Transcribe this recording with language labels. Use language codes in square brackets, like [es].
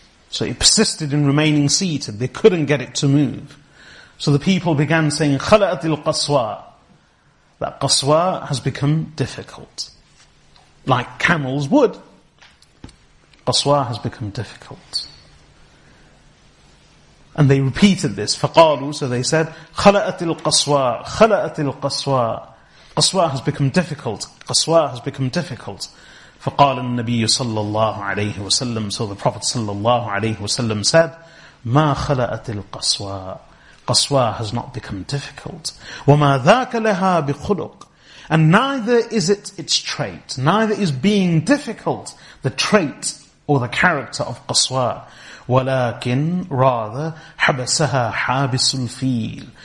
[en] So he persisted in remaining seated. They couldn't get it to move. So the people began saying, [ar] خَلَأَتِ الْقَصْوَى. [en] That Qaswa has become difficult. Like camels would. Qaswa has become difficult. And they repeated this. [ar] فَقَالُوا, [en] so they said, [ar] خَلَأَتِ الْقَصْوَى, خَلَأَتِ الْقَصْوَى. [en] Qaswa has become difficult. Qaswa has become difficult. [ar] فَقَالَ النَّبِيُّ صَلَّى اللَّهُ عَلَيْهِ وَسَلَّمُ, [en] so the Prophet [ar] صَلَّى اللَّهُ عَلَيْهِ وَسَلَّمُ [en] said, [ar] مَا خَلَأَتِ الْقَصْوَى. [en] Qaswa has not become difficult. [ar] وَمَا ذَاكَ لَهَا بِخُلُقٍ. [en] And neither is it its trait, neither is being difficult the trait or the character of Qaswa. [ar] Walakin, [en] rather, [ar] habasaha habisul fil.